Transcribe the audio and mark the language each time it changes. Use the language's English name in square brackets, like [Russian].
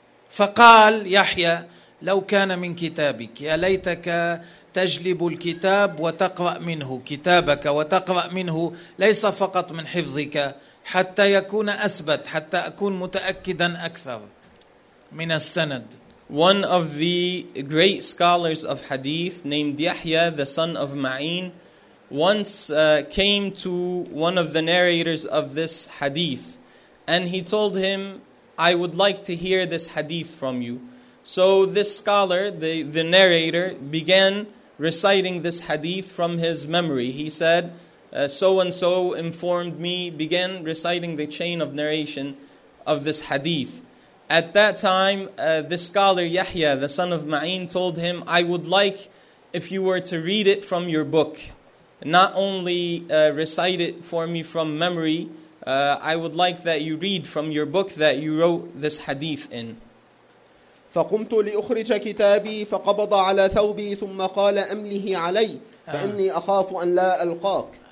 [Arabic] فقال يحيى لو كان من كتابك، يا ليتك تجلب الكتاب وتقرأ منه كتابك وتقرأ منه ليس فقط من حفظك، حتى يكون أثبت، حتى أكون متأكدا أكثر من السند. [English] One of the great scholars of hadith named Yahya, the son of Ma'in, once came to one of the narrators of this hadith, and he told him I would like to hear this hadith from you. So this scholar, the narrator, began reciting this hadith from his memory. He said, so-and-so informed me, began reciting the chain of narration of this hadith. At that time, this scholar, Yahya, the son of Ma'in, told him, I would like if you were to read it from your book. Not only recite it for me from memory, I would like that you read from your book that you wrote this hadith in. [Arabic] فقمت لأخرج كتابي فقبض على ثوبي ثم قال أمله علي فإني أخاف أن لا ألقاك.